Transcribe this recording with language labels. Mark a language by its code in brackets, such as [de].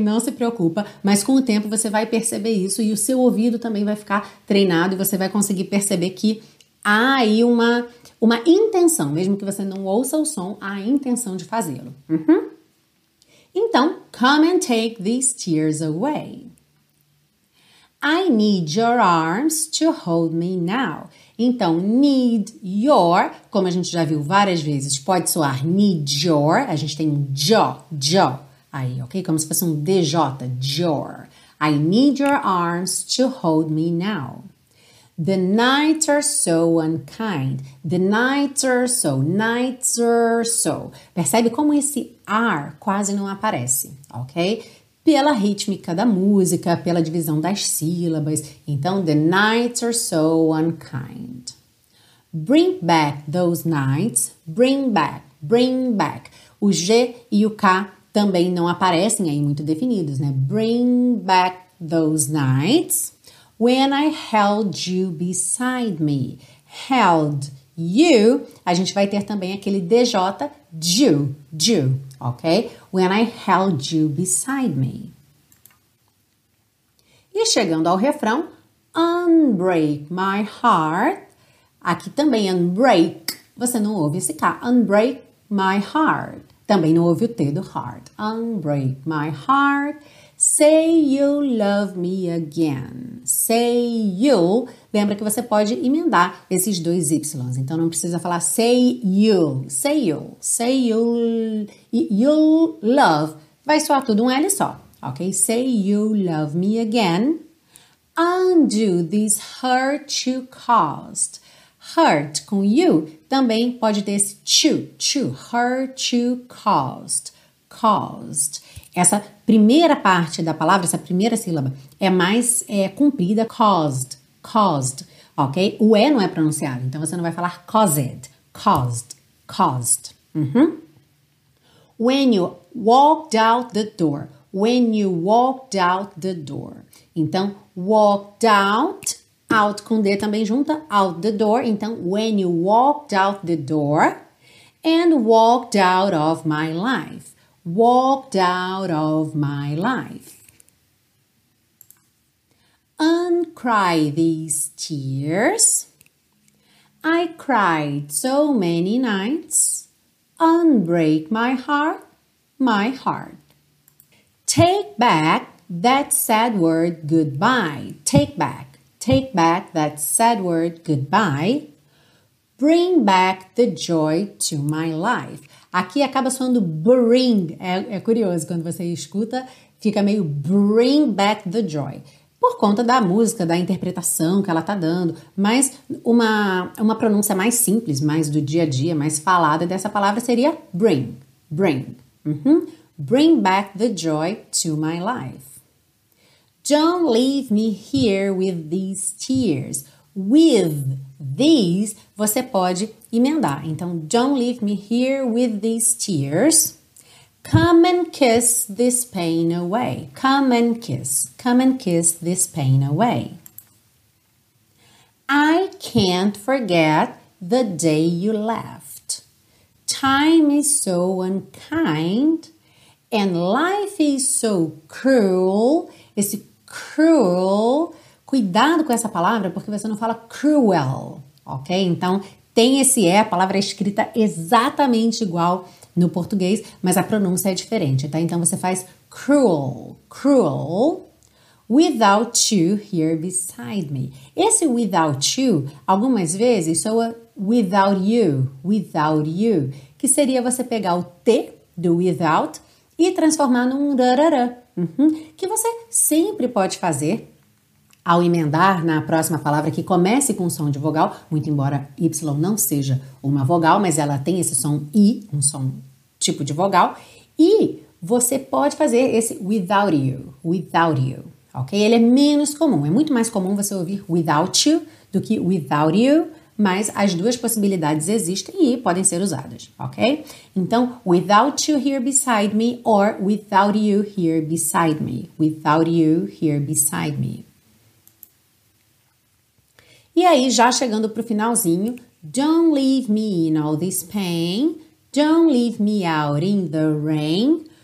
[pt] Não se preocupa, mas com o tempo você vai perceber isso e o seu ouvido também vai ficar treinado e você vai conseguir perceber que há aí uma intenção, mesmo que você não ouça o som, há a intenção de fazê-lo. Uhum. [en] Então, come and take these tears away. I need your arms to hold me now. [pt] Então, [en] need your, [pt] como a gente já viu várias vezes, pode soar need your. A gente tem um jo aí, ok? Como se fosse um DJ, your. [en] I need your arms to hold me now. The nights are so unkind. The nights are so, nights are so. [pt] Percebe como esse ar quase não aparece, ok? Pela rítmica da música, pela divisão das sílabas. [en] Então, the nights are so unkind. Bring back those nights. Bring back, bring back. [pt] O G e o K também não aparecem aí muito definidos, né? [en] Bring back those nights. When I held you beside me. Held you. [pt] A gente vai ter também aquele DJ, you, ok? [en] When I held you beside me. [pt] E chegando ao refrão, [en] unbreak my heart. [pt] Aqui também, unbreak, você não ouve esse K. [en] Unbreak my heart. [pt] Também não ouve o T do heart. [en] Unbreak my heart. Say you love me again. Say you. [pt] Lembra que você pode emendar esses dois Ys. Então, não precisa falar [en] say you. Say you. Say you. You love. [pt] Vai soar tudo um L só. Ok? [en] Say you love me again. Undo this hurt you caused. [pt] Hurt com you também pode ter esse to. To. [en] Hurt you caused. Caused. [pt] Essa primeira parte da palavra, essa primeira sílaba, é mais comprida, caused, caused, ok? O E não é pronunciado, então você não vai falar caused, caused, caused. Uhum. [en] When you walked out the door, when you walked out the door. [pt] Então, [en] walked out, [pt] out com D também junta, [en] out the door. Então, when you walked out the door and walked out of my life. Walked out of my life. Uncry these tears. I cried so many nights. Unbreak my heart, my heart. Take back that sad word goodbye. Take back that sad word goodbye. Bring back the joy to my life. [pt] Aqui acaba soando bring. É curioso, quando você escuta, fica meio [en] bring back the joy. [pt] Por conta da música, da interpretação que ela tá dando. Mas uma pronúncia mais simples, mais do dia a dia, mais falada dessa palavra seria bring. [en] Bring. Uhum. Bring back the joy to my life. Don't leave me here with these tears. [pt] With these, você pode emendar. [en] Então, don't leave me here with these tears. Come and kiss this pain away. Come and kiss this pain away. I can't forget the day you left. Time is so unkind and life is so cruel. [pt] Esse cruel, cuidado com essa palavra porque você não fala cruel, ok? Então, tem esse E, a palavra é escrita exatamente igual no português, mas a pronúncia é diferente, tá? Então, você faz [en] cruel, cruel, without you here beside me. [pt] Esse [en] without you, [pt] algumas vezes, soa without you, que seria você pegar o T do without e transformar num rarara, uhum, que você sempre pode fazer ao emendar na próxima palavra que comece com som de vogal, muito embora Y não seja uma vogal, mas ela tem esse som I, um som tipo de vogal, e você pode fazer esse without you, ok? Ele é menos comum, é muito mais comum você ouvir [en] without you [pt] do que without you, mas as duas possibilidades existem e podem ser usadas, ok? [en] Então, without you here beside me or without you here beside me, without you here beside me. [pt] E aí, já chegando para o finalzinho, [en] don't leave me in all this pain. Don't leave me out in the rain.